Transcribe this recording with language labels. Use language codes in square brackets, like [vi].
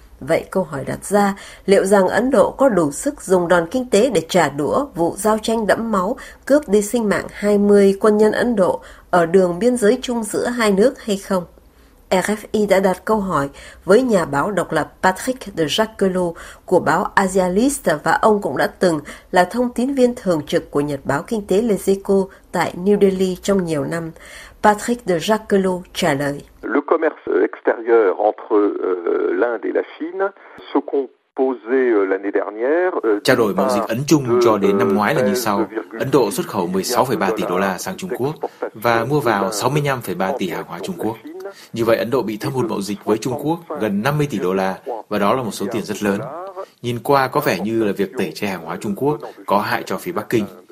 [vi] Vậy câu hỏi đặt ra, liệu rằng Ấn Độ có đủ sức dùng đòn kinh tế để trả đũa vụ giao tranh đẫm máu cướp đi sinh mạng 20 quân nhân Ấn Độ ở đường biên giới chung giữa hai nước hay không? RFI đã đặt câu hỏi với nhà báo độc lập Patrick de Jacquelot của báo Asialist, và ông cũng đã từng là thông tín viên thường trực của Nhật báo Kinh tế Leseco tại New Delhi trong nhiều năm. Patrick de Jacquelot trả lời. [fr] Le commerce extérieur entre l'Inde et la Chine se compose l'année dernière. [vi] Trao đổi mậu dịch Ấn Trung cho đến năm ngoái là như sau. Ấn Độ xuất khẩu 16,3 tỷ đô la sang Trung Quốc và mua vào 65,3 tỷ hàng hóa Trung Quốc. Như vậy, Ấn Độ bị thâm hụt mậu dịch với Trung Quốc gần 50 tỷ đô la, và đó là một số tiền rất lớn. Nhìn qua có vẻ như là việc tẩy chay hàng hóa Trung Quốc có hại cho phía Bắc Kinh.